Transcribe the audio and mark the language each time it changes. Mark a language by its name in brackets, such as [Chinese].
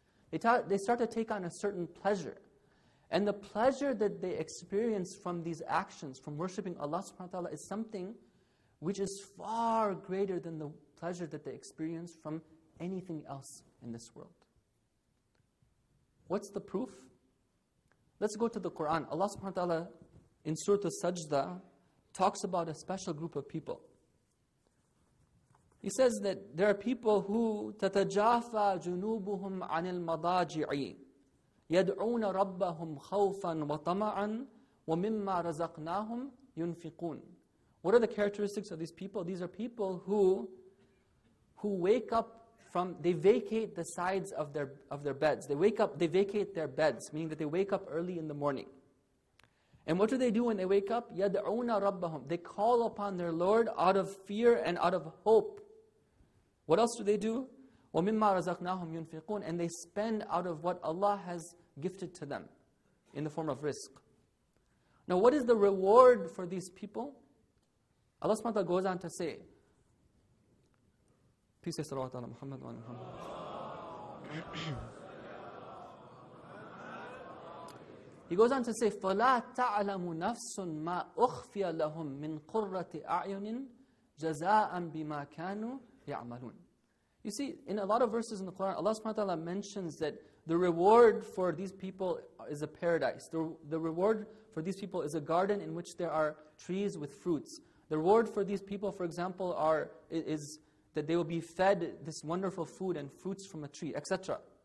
[English] They start to take on a certain pleasure. And the pleasure that they experience from these actions, from worshipping Allah subhanahu wa ta'ala, is something which is far greater than the pleasure that they experience from anything else in this world. What's the proof? Let's go to the Quran. Allah subhanahu wa ta'ala in Surah Al-Sajdah talks about a special group of people. He says that there are people who [Arabic] تَتَجَافَ جُنُوبُهُمْ عَنِ الْمَضَاجِعِ يَدْعُونَ رَبَّهُمْ خَوْفًا وَطَمَعًا وَمِمَّا رَزَقْنَاهُمْ يُنْفِقُونَ. [English] What are the characteristics of these people? These are people who wake up from, they vacate the sides of their beds. They wake up, they vacate their beds, meaning that they wake up early in the morning. And what do they do when they wake up? [Arabic] يَدْعُونَ رَبَّهُمْ. [English] They call upon their Lord out of fear and out of hope. What else do they do? [Arabic] وَمِمَّا رَزَقْنَاهُمْ يُنْفِقُونَ. [English] And they spend out of what Allah has gifted to them in the form of risk. Now what is the reward for these people? Allah subhanahu wa ta'ala goes on to say, peace be salawat ala Muhammad wa ala Muhammad. He goes on to say, [Arabic] فَلَا تَعْلَمُ نَفْسٌ مَا أُخْفِيَ لَهُمْ مِنْ قُرَّةِ أَعْيُنٍ جَزَاءً بِمَا كَانُوا يَعْمَلُونَ. [English] You see, in a lot of verses in the Quran, Allah subhanahu wa ta'ala mentions that the reward for these people is a paradise. The reward for these people is a garden in which there are trees with fruits. The reward for these people, for example, is that they will be fed this wonderful food and fruits from a tree, etc.